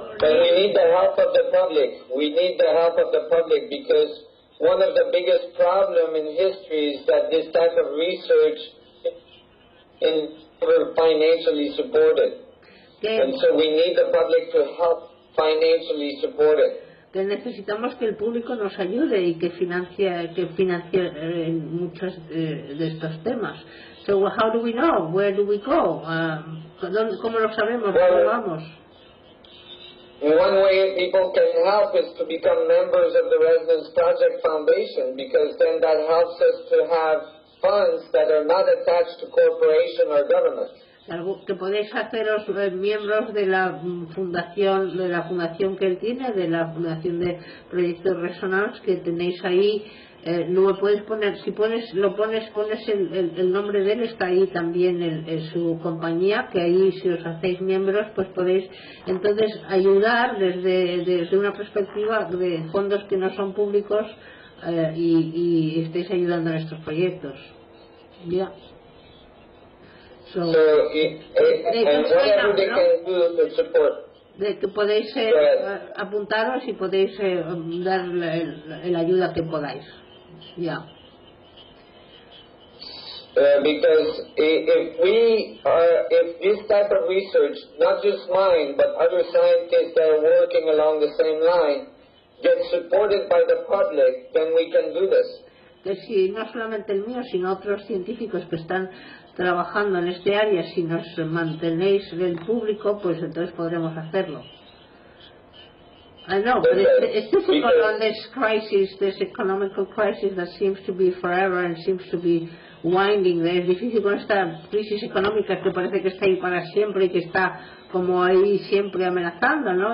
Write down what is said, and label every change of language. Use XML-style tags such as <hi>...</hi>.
<en>but we need the help of the public. We need the help of the public because one of the biggest problems in history is that this type of research and financially supported. And so we need the public to help financially support it.</en> <es>Que necesitamos que el público nos ayude y que financie muchos de estos temas.</es> <en>So how do we know? Where do we go?</en> <es>¿Cómo lo sabemos?</es> <en>Well,</en> <es>¿cómo vamos?</es> <en>One way people can help is to become members of the Residence Project Foundation, because then that helps us to have funds that are not attached to corporation or government.</en> <es>Que podéis haceros miembros de la fundación que él tiene, de la fundación de Proyecto Resonance que tenéis ahí. No lo puedes poner, si pones, lo pones, pones el nombre de él, está ahí también en su compañía, que ahí si os hacéis miembros, pues podéis entonces ayudar desde una perspectiva de fondos que no son públicos, y estéis ayudando a nuestros proyectos. Ya. Yeah. So, so de que podéis apuntaros y podéis dar la ayuda que podáis. Yeah.</es> <en>Because if we are, if this type of research, not just mine, but other scientists that are working along the same line, get supported by the public, then we can do this.</en> <es>Que si no solamente el mío, sino otros científicos que están trabajando en este área, si nos mantenéis el público, pues entonces podremos hacerlo.</es> <en>I know, but it's difficult on this crisis, this economical crisis that seems to be forever and seems to be winding.</en> <es>Es difícil con esta crisis económica que parece que está ahí para siempre y que está como ahí siempre amenazando, ¿no?</es>